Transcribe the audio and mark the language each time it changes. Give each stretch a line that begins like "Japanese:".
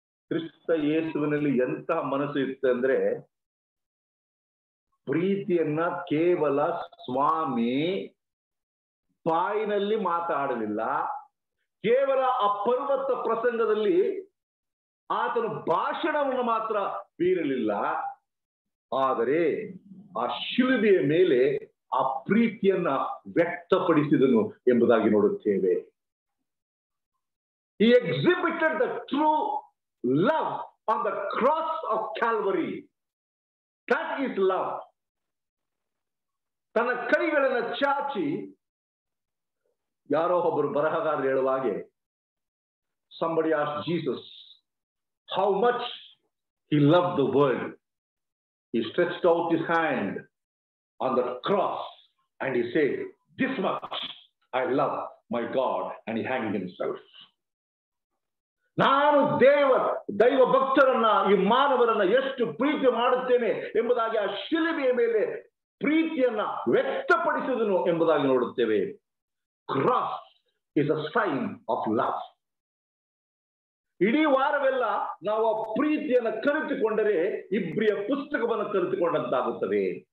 Kannada: ಕ್ರಿಸ್ತಯೇಸುವಿನಲ್ಲಿ ಎಂತಹ ಮನಸ್ಸು ಇತ್ತಂದ್ರೆ, ಪ್ರೀತಿಯನ್ನ ಕೇವಲ ಸ್ವಾಮಿ ಬಾಯಿನಲ್ಲಿ ಮಾತಾಡಲಿಲ್ಲ, ಕೇವಲ ಆ ಪರ್ವತ ಪ್ರಸಂಗದಲ್ಲಿ ಆತನು ಭಾಷಣವನ್ನು ಮಾತ್ರ ಬೀರಲಿಲ್ಲ, ಆದರೆ ಆ ಶಿಲುಬೆಯ ಮೇಲೆ ಆ ಪ್ರೀತಿಯನ್ನ ವ್ಯಕ್ತಪಡಿಸಿದನು ಎಂಬುದಾಗಿ ನೋಡುತ್ತೇವೆ.
English: He exhibited the true love on the cross of Calvary. That is love.
Kannada: ತನ್ನ ಕೈಗಳನ್ನು ಚಾಚಿ, ಯಾರೋ ಒಬ್ಬರು ಬರಹಗಾರರು ಹೇಳುವ ಹಾಗೆ,
English: Somebody asked Jesus how much he loved the world. He stretched out his hand on the cross and he said, this much I love my God, and he hanged himself.
Kannada: ನಾನು ದೈವ ಭಕ್ತರನ್ನ, ಈ ಮಾನವರನ್ನ ಎಷ್ಟು ಪ್ರೀತಿ ಮಾಡುತ್ತೇನೆ ಎಂಬುದಾಗಿ ಆ ಶಿಲುಬೆಯ ಮೇಲೆ ಪ್ರೀತಿಯನ್ನ ವ್ಯಕ್ತಪಡಿಸಿದನು ಎಂಬುದಾಗಿ ನೋಡುತ್ತೇವೆ.
English: Cross is a sign of love.
Kannada: ಇಡೀ ವಾರವೆಲ್ಲ ನಾವು ಆ ಪ್ರೀತಿಯನ್ನು ಕಲಿತುಕೊಂಡರೆ ಇಬ್ರಿಯ ಪುಸ್ತಕವನ್ನು ಕಲಿತುಕೊಂಡಂತಾಗುತ್ತದೆ.